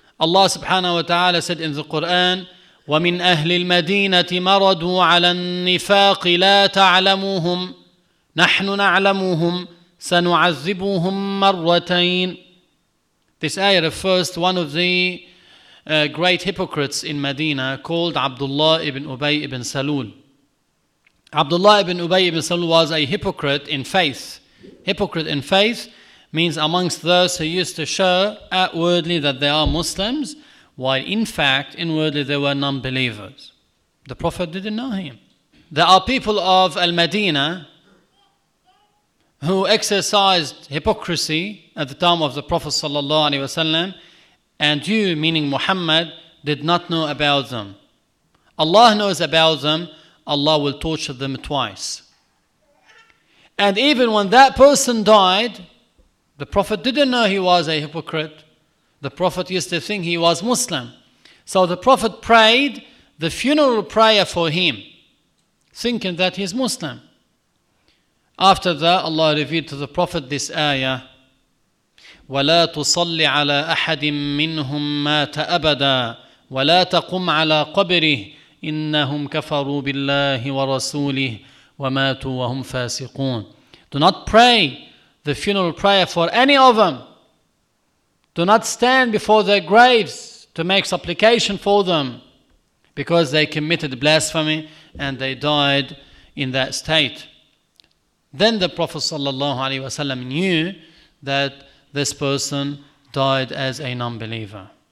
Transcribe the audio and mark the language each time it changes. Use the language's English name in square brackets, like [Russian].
[English] Allah subhanahu wa ta'ala said in the Quran, [Arabic] وَمِنْ أَهْلِ الْمَدِينَةِ مَرَدُوا عَلَى النِّفَاقِ لَا تَعْلَمُوهُمْ نَحْنُ نَعْلَمُوهُمْ سَنُعَذِّبُوهُمْ مَرَّتَيْنِ. [English] This ayah refers to one of the great hypocrites in Medina called Abdullah ibn Ubay ibn Salul. Abdullah ibn Ubay ibn Salul was a hypocrite in faith. Hypocrite in faith means amongst those who used to show outwardly that they are Muslims, while in fact, inwardly, they were non-believers. The Prophet didn't know him. There are people of Al-Madinah who exercised hypocrisy at the time of the Prophet sallallahu alaihi wasallam, and you, meaning Muhammad, did not know about them. Allah knows about them. Allah will torture them twice. And even when that person died, the Prophet didn't know he was a hypocrite. The Prophet used to think he was Muslim. So the Prophet prayed the funeral prayer for him, thinking that he's Muslim. After that, Allah revealed to the Prophet this ayah, [Arabic] وَلَا تُصَلِّ عَلَىٰ أَحَدٍ مِّنْهُمْ مَاتَ أَبَدًا وَلَا تَقُمْ عَلَىٰ قَبْرِهِ إِنَّهُمْ كَفَرُوا بِاللَّهِ وَرَسُولِهِ وَمَاتُوا وَهُمْ فَاسِقُونَ. [English] Do not pray the funeral prayer for any of them. Do not stand before their graves to make supplication for them, because they committed blasphemy and they died in that state. Then the Prophet sallallahu alaihi wasallam knew that this person died as a non-believer.